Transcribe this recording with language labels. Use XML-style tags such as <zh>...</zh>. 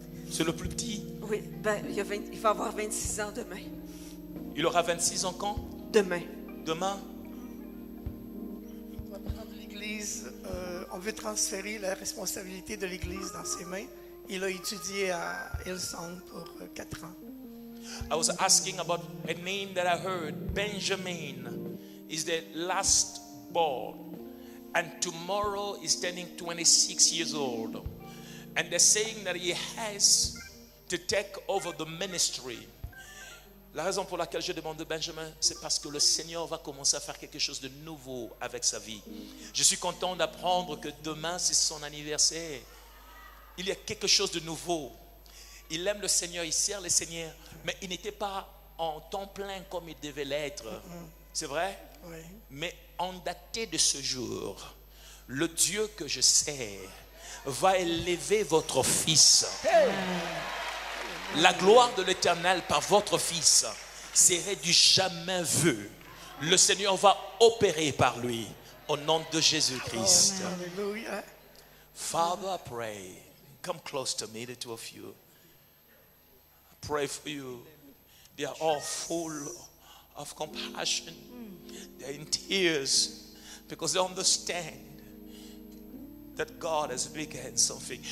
<fr>C'est le plus petit. Oui, ben, il va avoir 26 ans demain. Il aura 26 ans quand? Demain. Demain? On va prendre l'église. On veut transférer la responsabilité de l'église dans ses mains. Il a étudié à Hillsong pour 4 ans.</fr> <en>I was asking about a name that I heard. Benjamin is the last born. And tomorrow he's turning 26 years old. And they're saying that he has to take over the ministry.</en> <fr>La raison pour laquelle je demande de Benjamin, c'est parce que le Seigneur va commencer à faire quelque chose de nouveau avec sa vie. Je suis content d'apprendre que demain, c'est son anniversaire. Il y a quelque chose de nouveau. Il aime le Seigneur, il sert le Seigneur, mais il n'était pas en temps plein comme il devait l'être. C'est vrai? Oui. Mais en daté de ce jour, le Dieu que je sers va élever votre fils. Hey! La gloire de l'Éternel par votre fils serait du jamais vu. Le Seigneur va opérer par lui au nom de Jésus-Christ. Alléluia.</fr> <en>Father, I pray. Come close to me, the two of you. I pray for you. They are all full of compassion. They are in tears because they understand that God has begun something.</en>